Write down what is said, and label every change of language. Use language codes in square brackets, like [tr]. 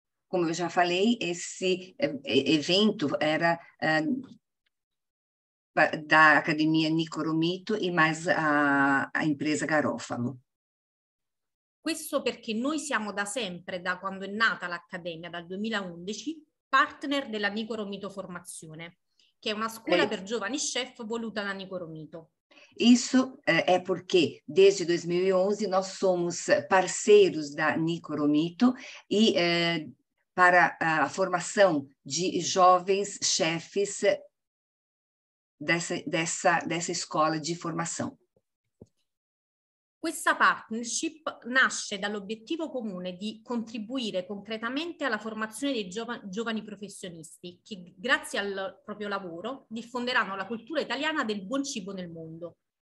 [pt] Como eu já falei, esse evento era da Academia Nico Romito e mais a empresa Garofalo. [it] Questo perché noi siamo da sempre, da quando è nata l'Accademia, dal 2011, partner della Nico Romito Formazione. che è una scuola per giovani chef voluta da Nico Romito. [pt] Isso é porque desde 2011 nós somos parceiros da Nico Romito e para a formação de jovens chefes dessa escola de formação. [it] Questa partnership nasce dall'obiettivo comune di contribuire concretamente alla formazione dei giovani professionisti che, grazie al proprio lavoro, diffonderanno la cultura italiana del buon cibo nel mondo.